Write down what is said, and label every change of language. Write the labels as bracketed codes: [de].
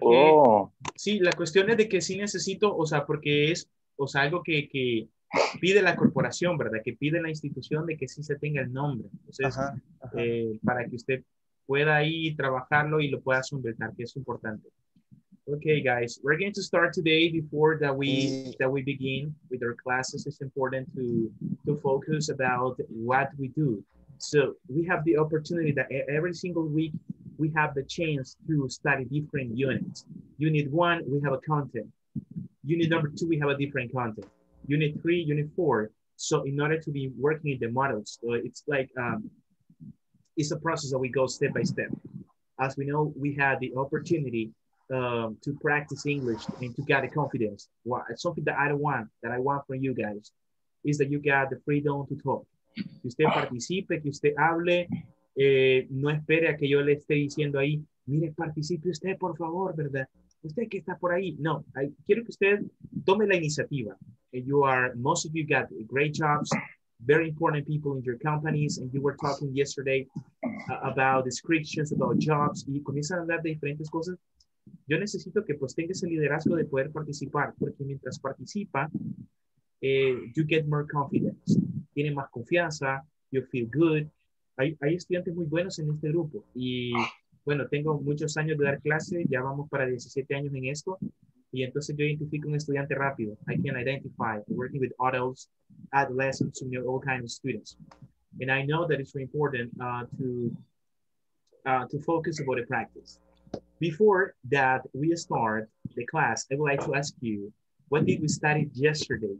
[es] Oh. Sí, la cuestión es de que sí necesito, o sea, porque es, o sea, algo que pide la corporación, ¿verdad? Que pide la institución de que sí se tenga el nombre. Entonces, ajá. Para que usted pueda ahí trabajarlo y lo pueda solventar, que es importante. [en] Okay, guys, we're going to start today before that we begin with our classes. It's important to focus about what we do. So we have the opportunity that every single week we have the chance to study different units. Unit one, we have a content. Unit number two, we have a different content. Unit three, unit four. So in order to be working in the models, so it's like, it's a process that we go step by step. As we know, we had the opportunity to practice English and to get the confidence. Well, something that I want from you guys is that you got the freedom to talk. [es] Que usted participe, que usted hable, no espere a que yo le esté diciendo ahí, mire, participe usted, por favor, ¿verdad? Usted que está por ahí. No, quiero que usted tome la iniciativa. [en] You are, most of you got great jobs, very important people in your companies, and you were talking yesterday about descriptions, about jobs, [es] y comienzan a hablar de diferentes cosas. Yo necesito que pues tengas el liderazgo de poder participar, porque mientras participa, [en] you get more confidence. [es] Tiene más confianza, [en] you feel good. [es] Hay estudiantes muy buenos en este grupo. Y bueno, tengo muchos años de dar clase, ya vamos para 17 años en esto. Y entonces yo identifico un estudiante rápido. [en] I can identify working with adults, adolescents, you know, all kinds of students. And I know that it's very important to focus about the practice. Before that we start the class, I would like to ask you, what did we study yesterday?